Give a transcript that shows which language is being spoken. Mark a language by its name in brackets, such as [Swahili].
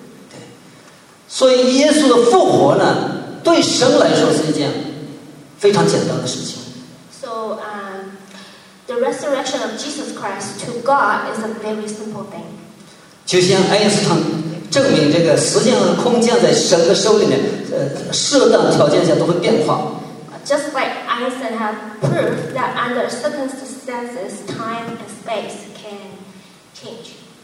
[Chinese] 对，所以耶稣的复活呢，对神来说是一件非常简单的事情。 [English] So the resurrection of Jesus Christ to God is a very simple thing. [Chinese] 就像爱因斯坦证明这个时间和空间在神的手里面，适当条件下都会变化。 [English] Just like Einstein have proved that under certain circumstances, time and space can change.